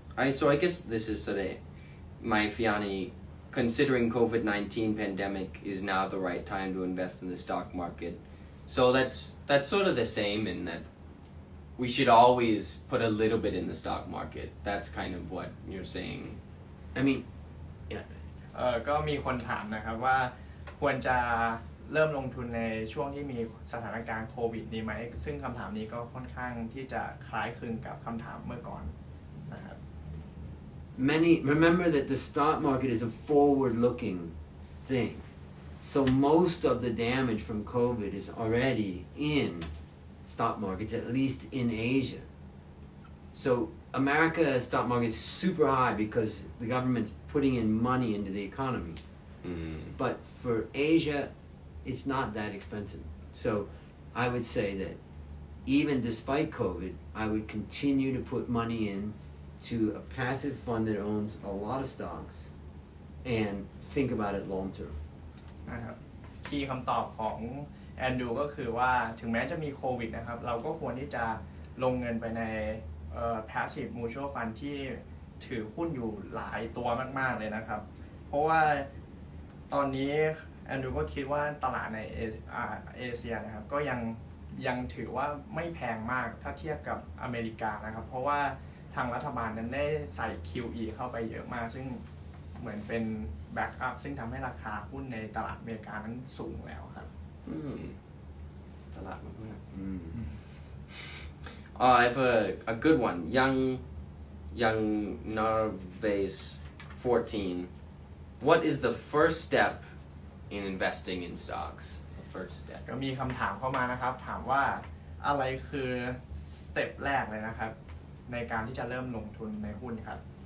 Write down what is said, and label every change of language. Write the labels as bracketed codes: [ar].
[en] So I guess this is today. My fiancé, considering COVID-19 pandemic, is now the right time to invest in the stock market. So that's sort of the same in that we should always put a little bit in the stock market. That's kind of what you're saying. I mean, [th] ก็มีคนถามนะครับว่าควรจะเริ่มลงทุนในช่วงที่มีสถานการณ์โควิดนี้ไหมซึ่งคำถามนี้ก็ค่อนข้างที่จะคล้ายคลึงกับคำถามเมื่อก่อนนะครับ [en] Many remember that the stock market is a forward-looking thing, so most of the damage from COVID is already in stock markets, at least in Asia. So America's stock market is super high because the government's putting in money into the economy. Mm-hmm. But for Asia, it's not that expensive. So I would say that even despite COVID, I would continue to put money in to a passive fund that owns a lot of stocks and think about it long term. [th] คีย์คำตอบของแอนดูก็คือว่าถึงแม้จะมีโควิดนะครับเราก็ควรที่จะลงเงินไปในpassive mutual fund ที่ถือหุ้นอยู่หลายตัวมากๆเลยนะครับเพราะว่า ตอนนี้แอนดูก็คิดว่าตลาดในเอเชียนะครับก็ยังถือว่าไม่แพงมากถ้าเทียบกับอเมริกานะครับเพราะว่าทางรัฐบาลนั้นได้ใส่ QE เข้าไปเยอะมากซึ่งเหมือนเป็นแบ็คอัพซึ่งทำให้ราคาหุ้นในตลาดอเมริกานั้นสูงแล้วครับ ตลาดมาก [en] I have a good one. Young Narvaez 14. What is the first step in investing in stocks? The first step. [th] ก็มีคำถามเข้ามานะครับถามว่าอะไรคือ step แรกเลยนะครับในการที่จะเริ่มลงทุนในหุ้นครับ